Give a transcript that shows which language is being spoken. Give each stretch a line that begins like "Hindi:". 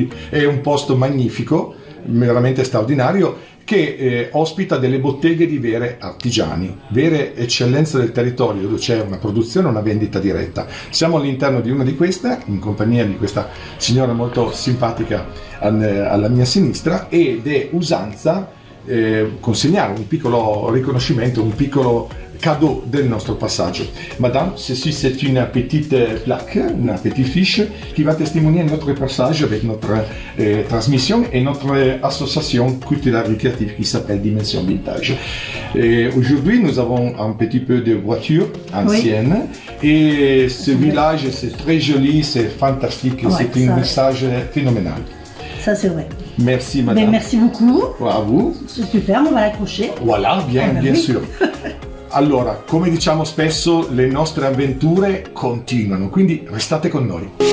Italian: È un posto magnifico, veramente straordinario, che ospita delle botteghe di vere artigiani, vere eccellenze del territorio, dove c'è una produzione, una vendita diretta. Siamo all'interno di una di queste, in compagnia di questa signora molto simpatica alla mia sinistra, ed è usanza consegnare un piccolo riconoscimento, un piccolo cadeau del nostro passaggio.
French: Madame, ceci c'est une petite plaque, une petite fiche, qui va testimonier notre passage avec notre transmission et notre association culturelle récréative qui s'appelle Dimension Vintage. Aujourd'hui, nous avons un petit peu de voiture ancienne, oui. Et ce village, c'est très joli, c'est fantastique, ouais, c'est un message phénoménal. Ça, c'est vrai. Merci madame. Ben, merci beaucoup. À vous. C'est super, on va l'accrocher. Voilà, bien, ah, ben bien oui. sûr.
Italian: Allora, come diciamo spesso, le nostre avventure continuano, quindi restate con noi.